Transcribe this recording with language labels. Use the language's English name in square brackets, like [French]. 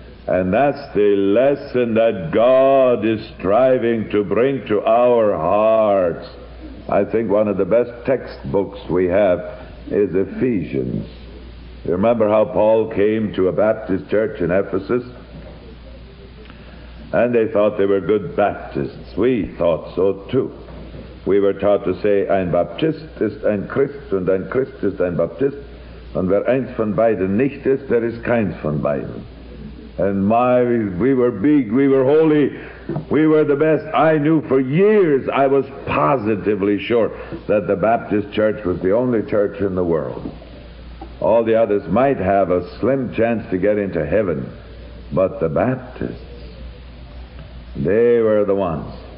[English] And that's the lesson that God is striving to bring to our hearts. I think one of the best textbooks we have is Ephesians. You remember how Paul came to a Baptist church in Ephesus? And they thought they were good Baptists. We thought so too. We were taught to say, [German] ein Baptistist, ein Christ, und ein Christist, ein Baptist. Und wer eins von beiden nicht ist, der ist keins von beiden. [English] And my, we were big, we were holy, we were the best. I knew for years, I was positively sure that the Baptist church was the only church in the world. All the others might have a slim chance to get into heaven, but the Baptists, they were the ones.